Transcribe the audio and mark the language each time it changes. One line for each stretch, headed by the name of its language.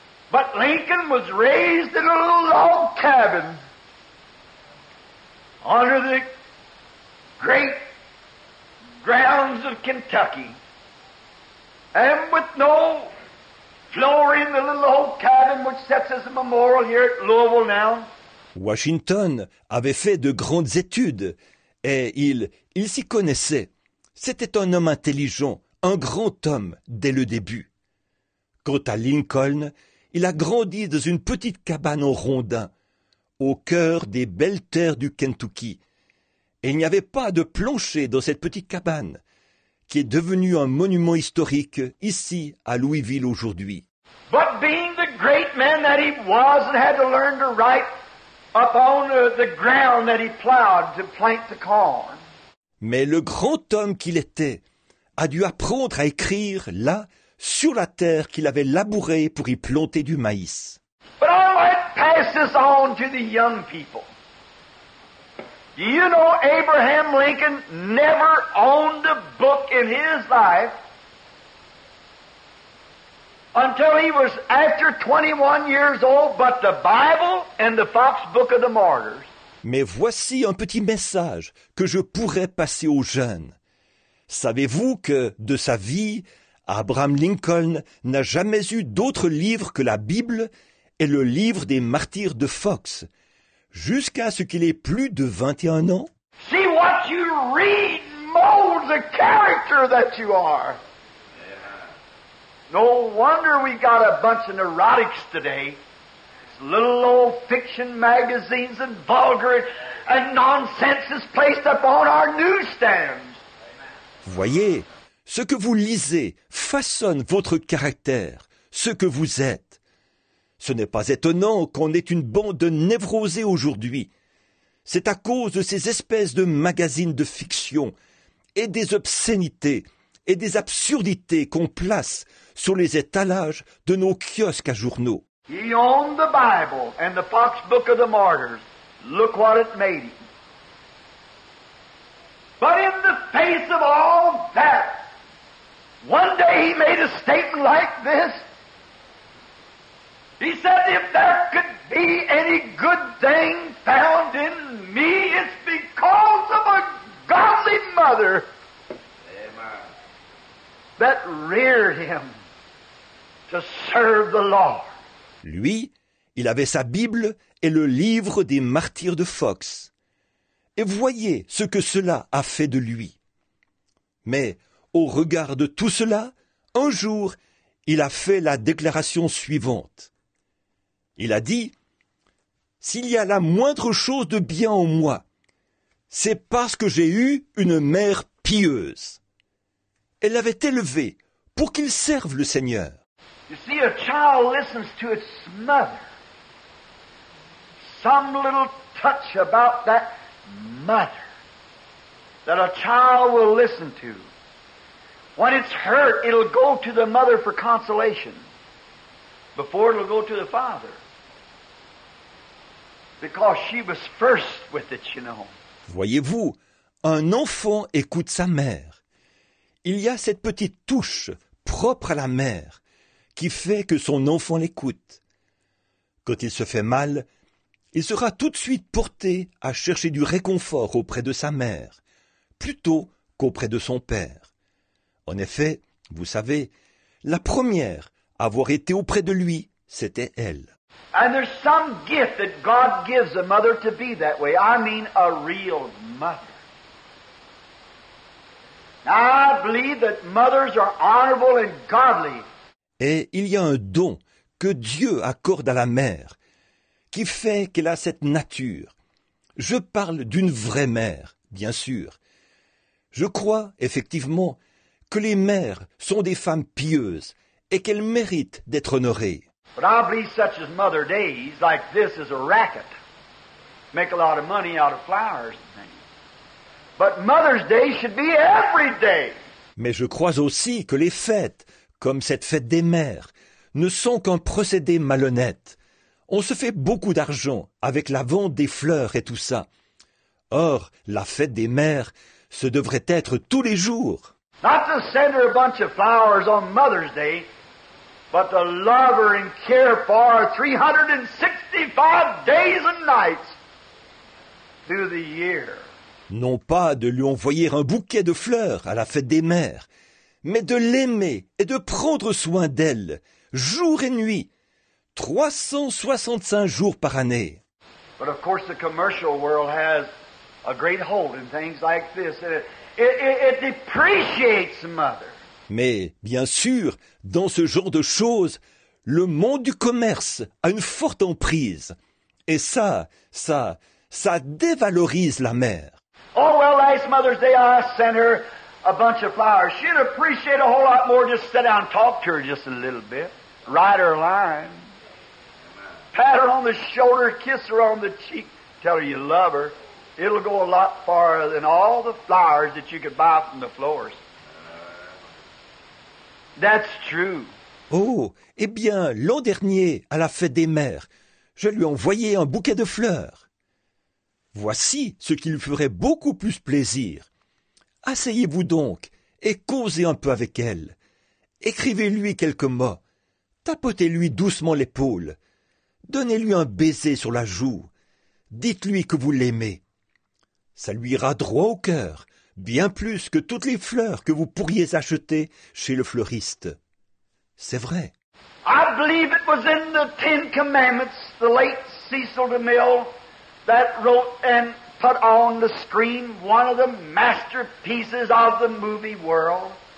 English: But Lincoln was raised in a little log cabin under the great grounds of Kentucky. And with no floor in the little old cabin which sets as a memorial here at Louisville now.
French: Washington avait fait de grandes études et il s'y connaissait. C'était un homme intelligent, un grand homme dès le début. Quant à Lincoln, il a grandi dans une petite cabane en rondin, au cœur des belles terres du Kentucky. Et il n'y avait pas de plancher dans cette petite cabane, qui est devenue un monument historique ici à Louisville aujourd'hui.
English: But being the great man that he was and had to learn to write upon the ground that he plowed to plant the corn.
French: Mais le grand homme qu'il était a dû apprendre à écrire là, sur la terre qu'il avait labourée pour y planter du maïs.
English: But I might pass this on to the young people. Do you know Abraham Lincoln never owned a book in his life until he was after 21 years old but the Bible and the Fox Book of the Martyrs?
French: Mais voici un petit message que je pourrais passer aux jeunes. Savez-vous que, de sa vie, Abraham Lincoln n'a jamais eu d'autre livre que la Bible et le livre des martyrs de Fox, jusqu'à ce qu'il ait plus de 21 ans?
English: See, what you read molds the character that you are. No wonder we got a bunch of neurotics today. Little old fiction magazines and vulgar and nonsense is placed up on our newsstands.
French: Voyez, ce que vous lisez façonne votre caractère, ce que vous êtes. Ce n'est pas étonnant qu'on ait une bande de névrosés aujourd'hui. C'est à cause de ces espèces de magazines de fiction et des obscénités et des absurdités qu'on place sur les étalages de nos kiosques à journaux.
English: He owned the Bible and the Fox Book of the Martyrs. Look what it made him. But in the face of all that, one day he made a statement like this. He said, if there could be any good thing found in me, it's because of a godly mother that reared him to serve the Lord.
French: Lui, il avait sa Bible et le livre des martyrs de Fox. Et voyez ce que cela a fait de lui. Mais au regard de tout cela, un jour, il a fait la déclaration suivante. Il a dit, « S'il y a la moindre chose de bien en moi, c'est parce que j'ai eu une mère pieuse. » Elle l'avait élevé pour qu'il serve le Seigneur.
English: You see, a child listens to its mother. Some little touch about that mother that a child will listen to. When it's hurt, it'll go to the mother for consolation before it'll go to the father. Because she was first with it, you know.
French: Voyez-vous, un enfant écoute sa mère. Il y a cette petite touche propre à la mère qui fait que son enfant l'écoute. Quand il se fait mal, il sera tout de suite porté à chercher du réconfort auprès de sa mère, plutôt qu'auprès de son père. En effet, vous savez, la première à avoir été auprès de lui, c'était elle.
English: And there's some gift that God gives a mother to be that way. I mean a real mother. Now, I believe that mothers are honorable and godly.
French: Et il y a un don que Dieu accorde à la mère qui fait qu'elle a cette nature. Je parle d'une vraie mère, bien sûr. Je crois, effectivement, que les mères sont des femmes pieuses et qu'elles méritent d'être honorées.
English: But I believe such as Mother Days, like this is a racket. Make a lot of money out of flowers and things. But Mother's Day should be every day.
French: Mais je crois aussi que les fêtes comme cette fête des mères, ne sont qu'un procédé malhonnête. On se fait beaucoup d'argent avec la vente des fleurs et tout ça. Or, la fête des mères, ce devrait être tous les jours.
English: Not to send her a bunch of flowers on Mother's Day, but to love her and care for her 365 days and nights through the year.
French: Non pas de lui envoyer un bouquet de fleurs à la fête des mères, mais de l'aimer et de prendre soin d'elle, jour et nuit, 365 jours par année.
English: But of course the commercial world has a great hold in things like this. It depreciates mother.
French: Mais bien sûr, dans ce genre de choses, le monde du commerce a une forte emprise. Et ça dévalorise la mère.
English: Oh, well, last Mother's Day, I sent her a bunch of flowers. She'd appreciate a whole lot more just sit down and talk to her just a little bit. Write her a line. Pat her on the shoulder, kiss her on the cheek, tell her you love her. It'll go a lot farther than all the flowers that you could buy from the florist. That's true.
French: Oh, eh bien, l'an dernier, à la fête des mères, je lui ai envoyé un bouquet de fleurs. Voici ce qui lui ferait beaucoup plus plaisir. Asseyez-vous donc et causez un peu avec elle. Écrivez-lui quelques mots. Tapotez-lui doucement l'épaule. Donnez-lui un baiser sur la joue. Dites-lui que vous l'aimez. Ça lui ira droit au cœur, bien plus que toutes les fleurs que vous pourriez acheter chez le fleuriste. C'est vrai.
English: I believe it was in the Ten Commandments, the late Cecil DeMille, that wrote and put on the screen one of the masterpieces of the movie world.